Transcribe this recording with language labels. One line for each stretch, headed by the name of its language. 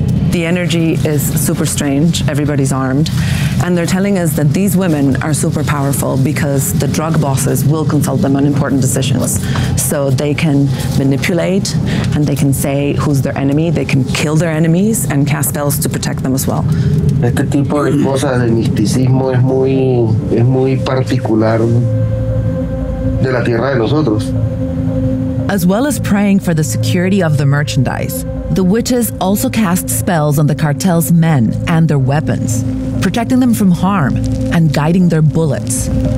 English: The energy is super strange. Everybody's armed. And they're telling us that these women are super powerful because the drug bosses will consult them on important decisions. So they can manipulate and they can say who's their enemy. They can kill their enemies and cast spells to protect them as well.
Spanish: Este tipo de cosas de misticismo es muy particular de la tierra de nosotros.
English: As well as praying for the security of the merchandise, the witches also cast spells on the cartel's men and their weapons, protecting them from harm and guiding their bullets.